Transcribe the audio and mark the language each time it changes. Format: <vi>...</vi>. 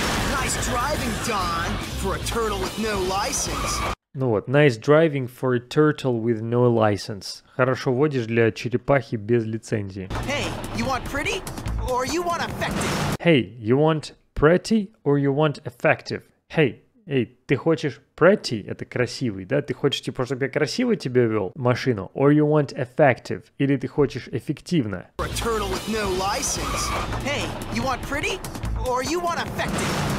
<en>Nice driving, Don, for a turtle with no license.</en> <ru>Ну вот,</ru> <en>nice driving for a turtle with no license.</en> <ru>Хорошо водишь для черепахи без лицензии.</ru> <en>Hey, you want pretty or you want effective? Hey, you want pretty or you want effective?</en> <ru>Hey, hey, ты хочешь pretty, это красивый, да? Ты хочешь, типа, чтобы я красиво тебе вел машину?</ru> <en>Or you want effective,</en> <ru>или ты хочешь эффективно?</ru> <en>For a turtle with no license. Hey, you want pretty or you want effective?</en>